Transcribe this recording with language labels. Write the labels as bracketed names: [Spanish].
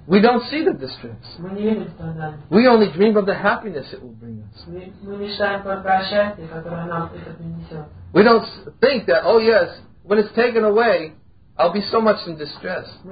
[English] We don't see the distress. [Russian] Мы не видим страданий. [English] We only dream of the happiness it will bring us. [Russian] Мы мечтаем только о счастье, которое нам это принесет. [English] We don't think that, oh yes, when it's taken away, I'll be so much in distress.